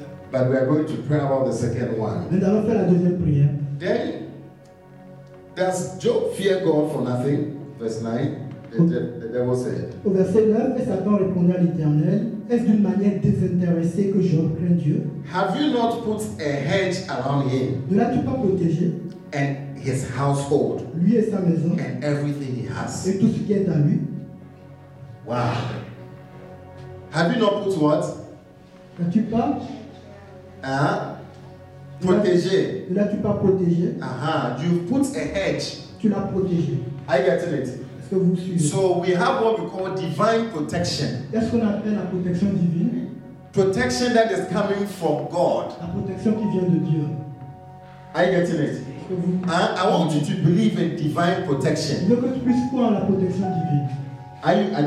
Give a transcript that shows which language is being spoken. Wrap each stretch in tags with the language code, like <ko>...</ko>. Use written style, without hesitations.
<en>But we are going to pray about the second one. Then, does Job fear God for nothing? Verse 9.</en> <fr>Au verset 9, Satan répondit à l'Éternel, est-ce d'une manière désintéressée que Job craint Dieu?</fr> <en>Have you not put a hedge around him?</en> <fr>Ne l'as-tu pas protégé?</fr> <en>And his household.</en> <fr>Lui et sa maison.</fr> <en>And everything he has.</en> <fr>Et tout ce qui est à lui.</fr> <en>Wow. Have you not put what?</en> <fr>N'as-tu pas? Hein? Protégé. Ne l'as-tu pas protégé?</fr> <en>You've put a hedge.</en> <fr>Tu l'as protégé.</fr> <en>I get it. So we have what we call divine protection.</en> <fr>Qu'est-ce qu'on appelle la protection divine?</fr> <en>Protection that is coming from God.</en> <fr>La protection qui vient de Dieu.</fr> <en>Are you getting it? I want you to believe in divine protection.</en> <fr>Je veux que tu puisses croire en la protection divine.</fr>